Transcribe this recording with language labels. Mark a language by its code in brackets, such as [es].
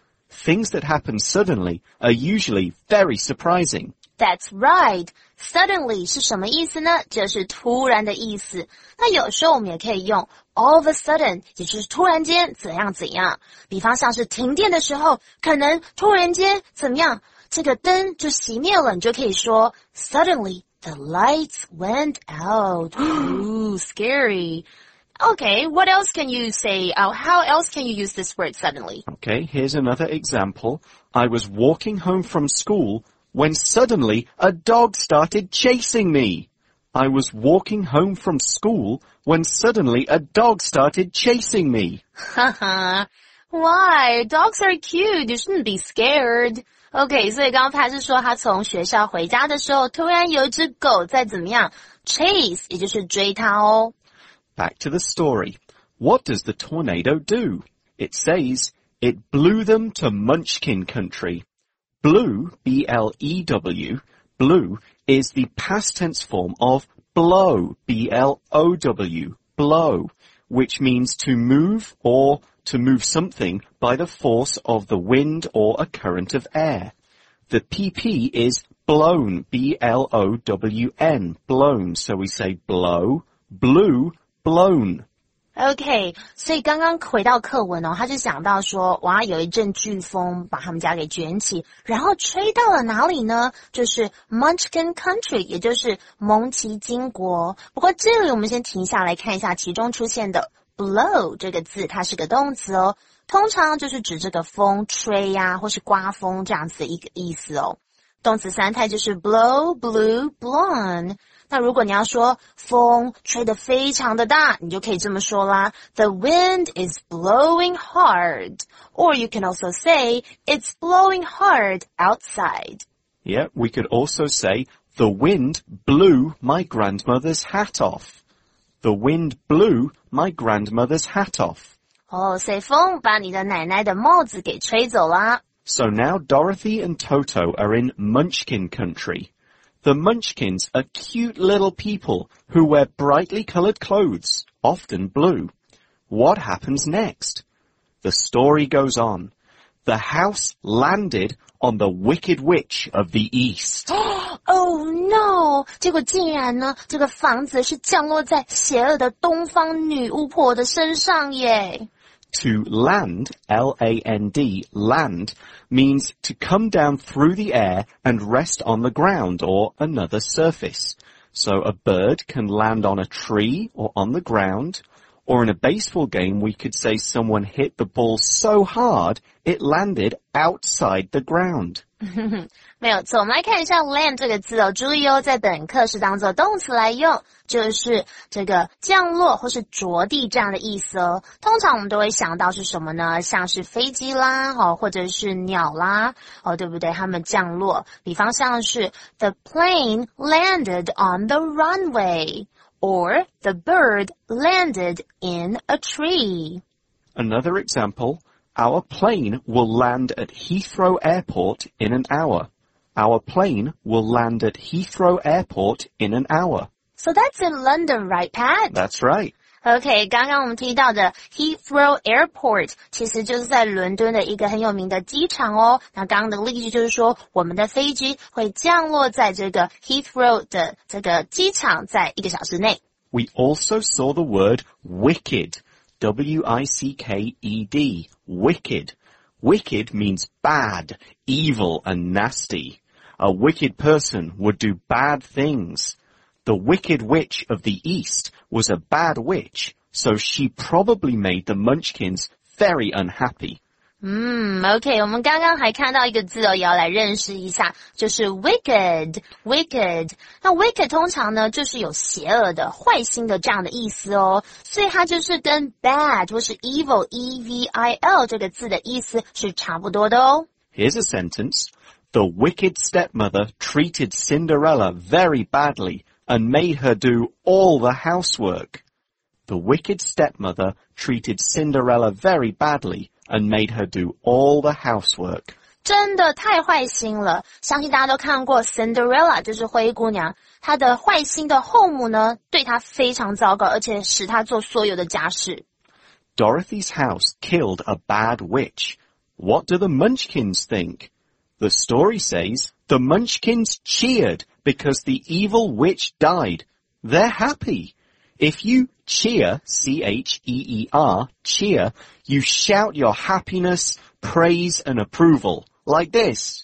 [en] Things that happen suddenly are usually very surprising. That's right. [zh] Suddenly 是什么意思呢？就是突然的意思。那有时候我们也可以用 [en] all of a sudden, [zh] 也就是突然间怎样怎样。比方像是停电的时候，可能突然间怎么样，这个灯就熄灭了，你就可以说 [en] suddenly the lights went out. Ooh, scary. Okay, what else can you say? How else can you use this word suddenly? Okay, here's another example. I was walking home from school. When suddenly a dog started chasing me. I was walking home from school when suddenly a dog started chasing me. Haha, why? Dogs are cute. You shouldn't be scared. [zh] Okay, 所以刚刚Pat是说他从学校回家的时候突然有一只狗在怎么样 chase, 也就是追他哦。 [en] Back to the story. What does the tornado do? It says, it blew them to Munchkin country. Blue, B-L-E-W, blue, is the past tense form of blow, B-L-O-W, blow, which means to move or to move something by the force of the wind or a current of air. The PP is blown, B-L-O-W-N, blown. So we say blow, blue, blown. [zh] OK, 所以刚刚回到课文哦，他就想到说，哇，有一阵飓风把他们家给卷起，然后吹到了哪里呢？就是 Munchkin Country, 也就是蒙奇金国。不过这里我们先停下来看一下其中出现的 blow 这个字，它是个动词哦。通常就是指这个风吹呀、啊、或是刮风这样子一个意思哦。动词三态就是 blow, blew, blown。那如果你要说风吹得非常的大，你就可以这么说啦。 [en] The wind is blowing hard. Or you can also say, it's blowing hard outside. Yeah, we could also say, the wind blew my grandmother's hat off. The wind blew my grandmother's hat off. [zh] 哦，所以风把你的奶奶的帽子给吹走了。 [en] So now Dorothy and Toto are in Munchkin Country. The Munchkins are cute little people who wear brightly coloured clothes, often blue. What happens next? The story goes on. The house landed on the Wicked Witch of the East. Oh no! [zh] 结果竟然呢，这个房子是降落在邪恶的东方女巫婆的身上耶。 [en] To land, L-A-N-D, land, means to come down through the air and rest on the ground or another surface. So a bird can land on a tree or on the ground, or in a baseball game we could say someone hit the ball so hard it landed outside the ground. [zh] 没有错，我们来看一下 land 这个字哦，注意哦，在本课是当作动词来用，就是这个降落或是着地这样的意思哦。通常我们都会想到是什么呢？像是飞机啦，哦，或者是鸟啦，哦，对不对？它们降落，比方像是 [en] the plane landed on the runway, or the bird landed in a tree. Another example. Our plane will land at Heathrow Airport in an hour. Our plane will land at Heathrow Airport in an hour. So that's in London, right, Pat? That's right. [zh] Okay, 刚刚我们提到的 Heathrow Airport 其实就是在伦敦的一个很有名的机场哦。那刚刚的例句就是说我们的飞机会降落在这个 Heathrow 的这个机场在一个小时内。 [en] We also saw the word wicked. W-I-C-K-E-D, wicked. Wicked means bad, evil and nasty. A wicked person would do bad things. The Wicked Witch of the East was a bad witch, so she probably made the Munchkins very unhappy. [zh] OK, 我们刚刚还看到一个字哦，也要来认识一下，就是 wicked, wicked. 那 wicked 通常呢，就是有邪恶的、坏心的这样的意思哦，所以它就是跟 bad 或是 evil, E-V-I-L 这个字的意思是差不多的哦。 [en] Here's a sentence. The wicked stepmother treated Cinderella very badly and made her do all the housework. The wicked stepmother treated Cinderella very badly. And made her do all the housework. [zh] 真的太坏心了，相信大家都看过 Cinderella, 就是灰姑娘，她的坏心的后母呢，对她非常糟糕，而且使她做所有的家事。 [en] Dorothy's house killed a bad witch. What do the Munchkins think? The story says, the Munchkins cheered because the evil witch died. They're happy. If you... Cheer, C-H-E-E-R, cheer, you shout your happiness, praise and approval, like this.